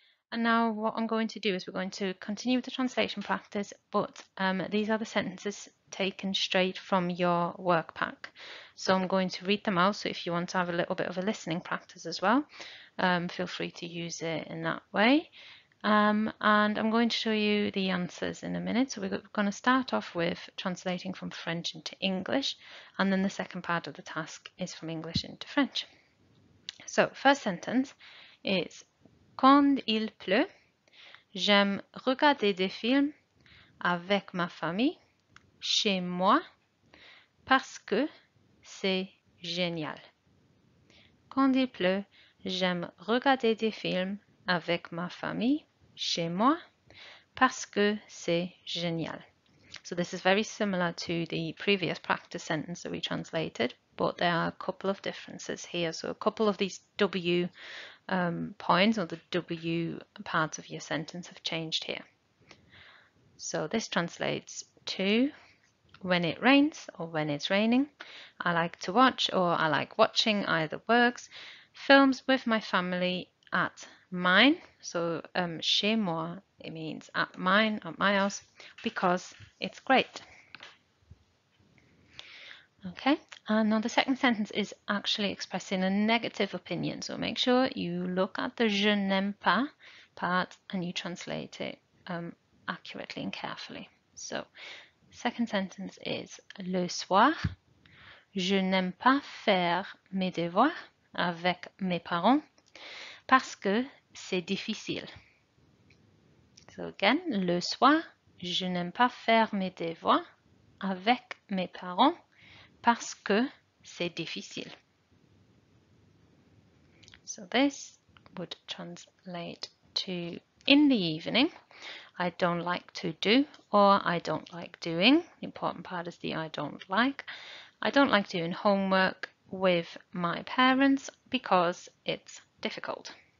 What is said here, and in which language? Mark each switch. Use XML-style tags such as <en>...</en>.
<en>And now what I'm going to do is we're going to continue with the translation practice, but these are the sentences taken straight from your work pack. So I'm going to read them out, so if you want to have a little bit of a listening practice as well, Feel free to use it in that way. And I'm going to show you the answers in a minute. So we're going to start off with translating from French into English, and then the second part of the task is from English into French. So first sentence is,</en> <fr>quand il pleut, j'aime regarder des films avec ma famille chez moi parce que c'est génial. Quand il pleut, j'aime regarder des films avec ma famille chez moi parce que c'est génial.</fr> <en>So this is very similar to the previous practice sentence that we translated, but there are a couple of differences here. So a couple of these W points, or the W parts of your sentence, have changed here. So this translates to, when it rains or when it's raining, I like to watch, or I like watching, either works, films with my family at mine. So</en> <fr>chez moi,</fr> <en>it means at mine, at my house, because it's great. Okay, and now the second sentence is actually expressing a negative opinion. So make sure you look at the</en> <fr>je n'aime pas</fr> <en>part and you translate it accurately and carefully. So second sentence is,</en> <fr>le soir, je n'aime pas faire mes devoirs avec mes parents parce que c'est difficile.</fr> <en>So again,</en> <fr>le soir, je n'aime pas faire mes devoirs avec mes parents parce que c'est difficile.</fr> <en>So this would translate to, in the evening, I don't like to do, or I don't like doing. The important part is the I don't like. I don't like doing homework with my parents because it's difficult.</en>